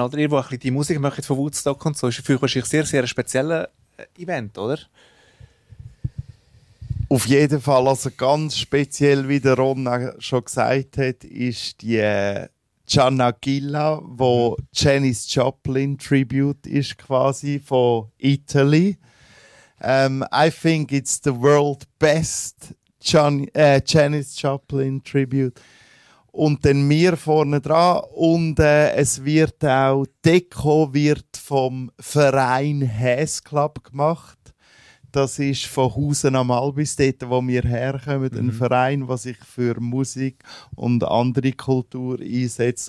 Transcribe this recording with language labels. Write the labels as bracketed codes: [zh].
[de] Oder ihr, wo ein die Musik möchtet von Woodstock und so, ist für euch sehr, sehr ein spezieller Event, oder? Auf jeden Fall. Also ganz speziell, wie der Ron schon gesagt hat, ist die Gianna Gila, wo Janis Joplin Tribute ist quasi von Italy. [en] I think it's the world best Janis Joplin Tribute. [de] Und dann wir vorne dran. Und es wird auch Deko wird vom Verein Häs Club gemacht. Das ist von Husen am Albis, dort, wo wir herkommen. Ein Verein, der sich für Musik und andere Kultur einsetzt.